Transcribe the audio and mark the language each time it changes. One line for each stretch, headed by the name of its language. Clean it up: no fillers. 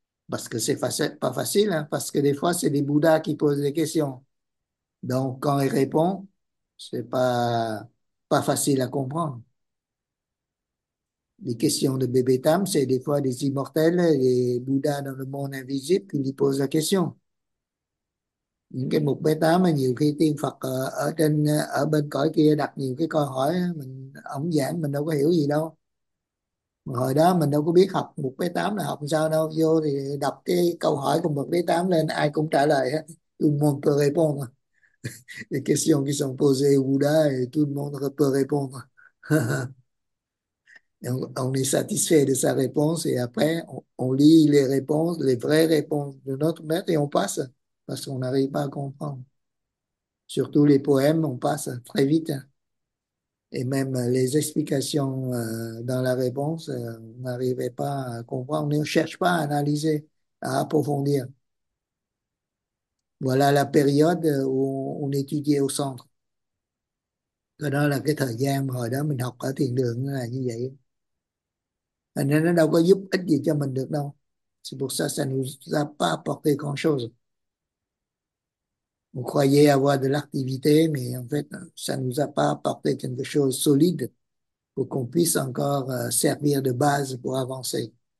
French: Parce que c'est pas facile, hein, parce que des fois, c'est des Bouddhas qui posent des questions. Donc, quand il répond, c'est pas facile à comprendre. Les questions de Bébé Tam, c'est des fois des immortels, des Bouddhas dans le monde invisible qui lui posent la question.
Vietnamese: Những cái mục Bé Tám mà nhiều khi tiên Phật ở trên ở bên cõi kia đặt nhiều cái câu hỏi mình ổng giảng mình đâu có hiểu gì đâu. Hồi đó mình đâu có biết học mục Bé Tám là học sao đâu, vô thì đọc cái câu hỏi của mục Bé Tám lên ai cũng trả lời hết.
French: Tout le monde peut répondre. Les questions qui sont posées au Bouddha et tout le monde peut répondre. On est satisfait de sa réponse et après on lit les réponses, les vraies réponses de notre maître et on passe parce qu'on n'arrive pas à comprendre. Surtout les poèmes, on passe très vite. Et même les explications dans la réponse, on n'arrivait pas à comprendre. On ne cherche pas à analyser, à approfondir. Voilà la période où on étudiait au centre.
Vietnamese: Cái đó là cái thời gian mà hồi đó mình học ở thiền đường là như vậy. Thành ra nó đâu có giúp ích gì cho mình được đâu.
French: C'est pour ça, ça ne nous a pas apporté grand chose. On croyait avoir de l'activité, mais en fait, ça ne nous a pas apporté quelque chose de solide pour qu'on puisse encore servir de base pour avancer.